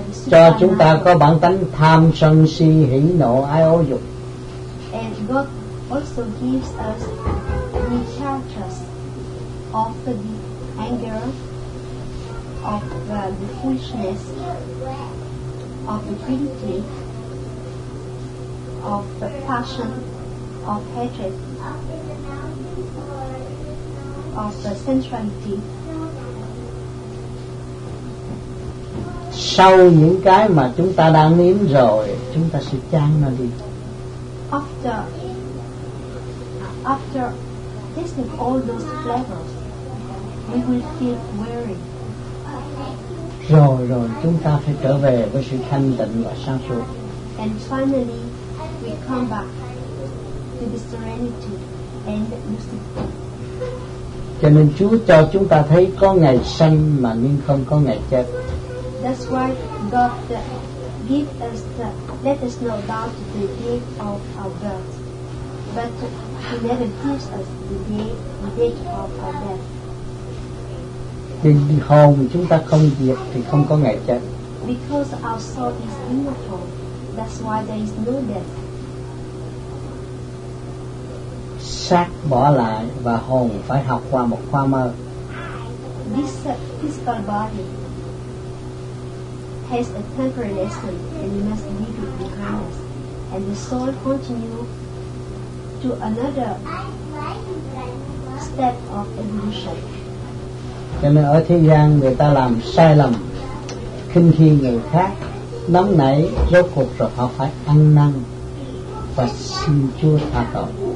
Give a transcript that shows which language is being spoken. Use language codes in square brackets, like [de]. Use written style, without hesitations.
[vi] Cho chúng ta có bản tánh tham sân si hỷ nộ ái ố dục. [en] And God also gives us the characters of the anger, of the foolishness, of the greedy, of the passion, of hatred, of the sensuality. [vi] Sau những cái mà chúng ta đang nếm rồi, chúng ta sẽ chán nó đi. [en] After tasting all those flavors, we will feel weary. [vi] Rồi chúng ta phải trở về với sự thanh tịnh và sáng suốt. [en] And finally, we come back to the serenity and lucidity. [vi] Cho nên Chúa cho chúng ta thấy có ngày sanh mà nhưng không có ngày chết. [en] That's why God give us the, let us know about the day of our birth, but He never gives us the date of our death. [vi] Thì hồn chúng ta không diệt thì không có ngày chết. [en] Because our soul is immortal, that's why there is no death. [vi] Xác bỏ lại và hồn phải học qua một khoa mơ. [en] This physical body has a temporary lesson and you must leave it behind us. And the soul continues to another step of evolution. [vi] Cho nên ở thế gian người ta làm sai lầm, khinh khi người khác, nóng nảy, rốt cuộc rồi họ phải ăn năn và xin Chúa tha tội.